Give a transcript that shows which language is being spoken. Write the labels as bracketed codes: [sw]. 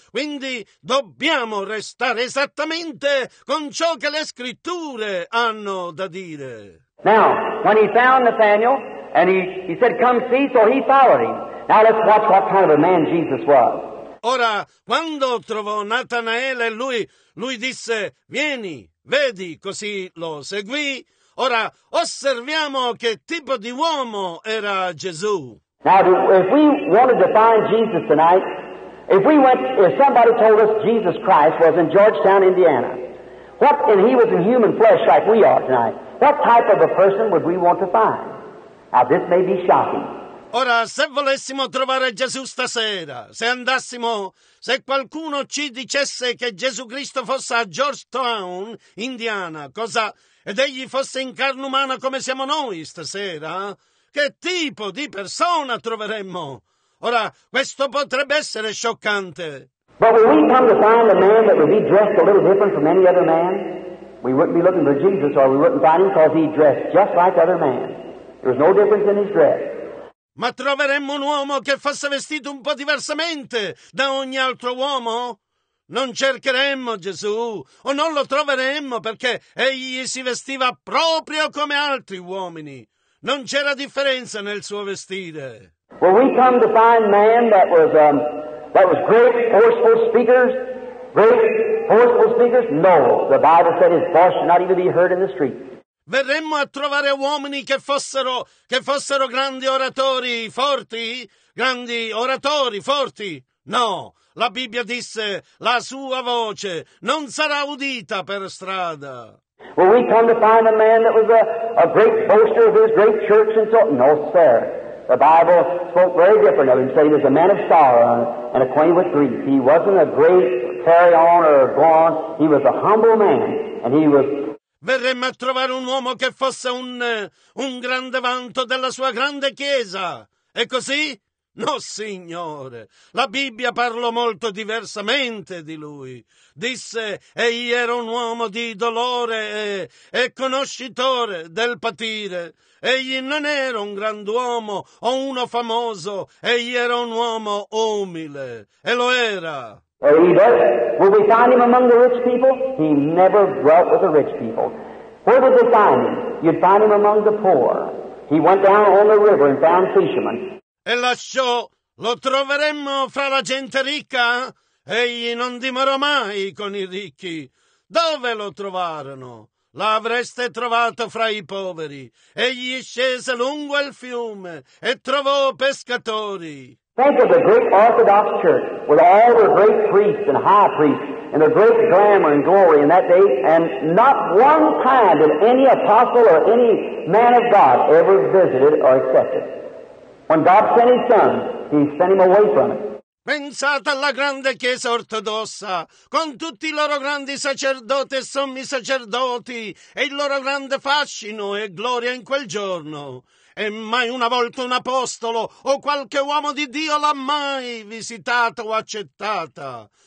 [it] Quindi dobbiamo restare esattamente con ciò che le scritture hanno da dire. [en] Now, when he found Nathanael and he said, come see, so he followed him. Now let's watch what kind of a man Jesus was. [it] Ora, quando trovò Natanaele, lui disse, vieni, vedi, così lo seguì. Ora, osserviamo che tipo di uomo era Gesù. [en] Now, if we wanted to find Jesus tonight, if somebody told us Jesus Christ was in Georgetown, Indiana, and he was in human flesh like we are tonight, what type of a person would we want to find? Now, this may be shocking. [it] Ora, se volessimo trovare Gesù stasera, se qualcuno ci dicesse che Gesù Cristo fosse a Georgetown, Indiana, ed egli fosse in carne umana come siamo noi stasera, che tipo di persona troveremmo? Ora, questo potrebbe essere scioccante. [en] But when we come to find a man that would be dressed a little different from any other man, we wouldn't be looking for Jesus, or we wouldn't find him, because he dressed just like other men. There was no difference in his dress. [it] Ma troveremmo un uomo che fosse vestito un po' diversamente da ogni altro uomo? Non cercheremmo Gesù, o non lo troveremmo, perché egli si vestiva proprio come altri uomini. Non c'era differenza nel suo vestire. [en] When we come to find man that was great, forceful speakers, great, forceful speakers? No, the Bible said his voice should not even be heard in the street. [it] Verremmo a trovare uomini che fossero grandi oratori, forti? Grandi oratori, forti? No, la Bibbia disse, la sua voce non sarà udita per strada. [en] Will we come to find a man that was a great boaster of his great church and so? No, sir. The Bible spoke very different of him, saying he was a man of sorrow and acquainted with grief. He wasn't a great carry-on or a go-on. He was a humble man, and he was... [it] Verremmo a trovare un uomo che fosse un grande vanto della sua grande chiesa. È così? No, Signore. La Bibbia parlò molto diversamente di lui. Disse, egli era un uomo di dolore e conoscitore del patire. Egli non era un grand'uomo o uno famoso. Egli era un uomo umile. E lo era. [en] Either, will we find him among the rich people? He never dwelt with the rich people. Where did they find him? You'd find him among the poor. He went down on the river and found fishermen. [it] E lasciò, lo troveremmo fra la gente ricca? Egli non dimorò mai con i ricchi. Dove lo trovarono? L'avreste trovato fra i poveri. Egli scese lungo il fiume e trovò pescatori. [en] Think of the great Orthodox Church with all the great priests and high priests and the great glamour and glory in that day, and not one time did any apostle or any man of God ever visited or accepted. When God sent his son, he sent him away from it. [it] Pensate alla grande chiesa ortodossa, con tutti i loro grandi sacerdoti e sommi sacerdoti, e il loro grande fascino e gloria in quel giorno. E mai una volta un apostolo o qualche uomo di Dio l'ha mai visitata o accettata.